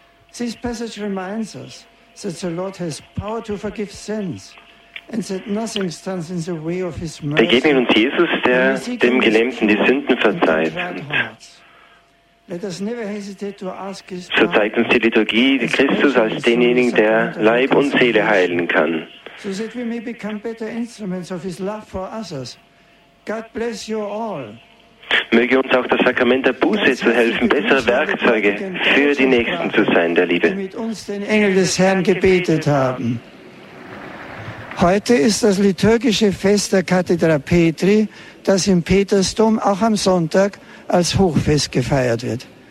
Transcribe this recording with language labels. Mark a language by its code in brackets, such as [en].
[en] This passage reminds us that the Lord has power to forgive sins and that nothing stands in the way of his mercy. [de] Begegnet uns Jesus, der dem Gelähmten die Sünden verzeiht. [en] Let us never hesitate to ask his [de] so zeigt uns die Liturgie Christus als denjenigen, der Leib und Seele heilen kann. [en] So that we may become better instruments of his love for others. God bless you all. [de] Möge uns auch das Sakrament der Buße zu helfen, bessere Werkzeuge für die Nächsten zu sein, der Liebe. Die mit uns den Engel des Herrn gebetet haben. Heute ist das liturgische Fest der Kathedra Petri, das im Petersdom auch am Sonntag als Hochfest gefeiert wird.